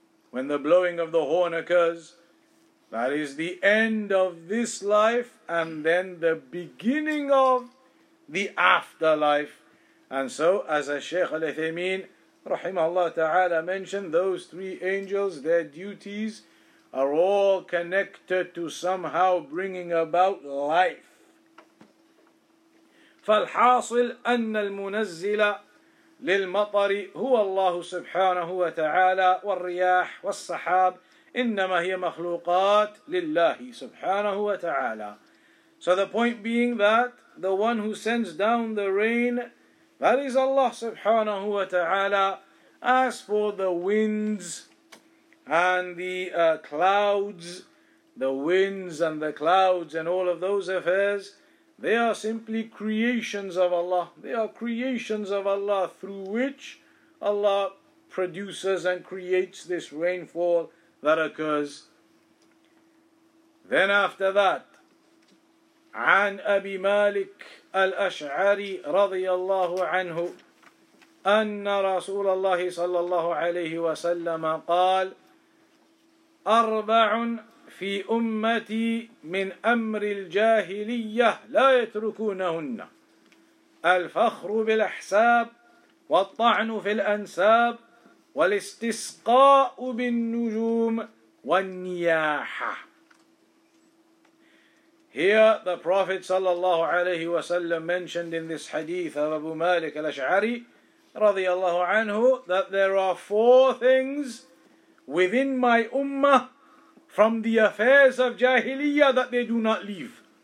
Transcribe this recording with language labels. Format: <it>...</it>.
<en>When the blowing of the horn occurs, that is the end of this life and then the beginning of the afterlife. And so, as a Shaykh al-Uthaymeen rahimahullah ta'ala mentioned, those three angels, their duties are all connected to somehow bringing about life.</en> <ar>فالحاصل أن المنزل للمطر هو الله سبحانه وتعالى والرياح والسحاب إنما هي مخلوقات لله سبحانه وتعالى.</ar> <en>So the point being that the one who sends down the rain, that is Allah subhanahu wa ta'ala. As for the winds and the clouds, the winds and the clouds and all of those affairs, they are simply creations of Allah. They are creations of Allah through which Allah produces and creates this rainfall that occurs. Then after that,</en> <ar>عن أبي مالك الأشعري رضي الله عنه أن رسول الله صلى الله عليه وسلم قال أربع في أمتي من أمر الجاهلية لا يتركونهن الفخر بالأحساب والطعن في الأنساب والاستسقاء بالنجوم والنياحة.</ar> <en>Here the Prophet sallallahu alayhi wa sallam mentioned in this hadith of Abu Malik al-Ash'ari radiyallahu anhu that there are four things within my ummah from the affairs of jahiliyyah that they do not leave.</en>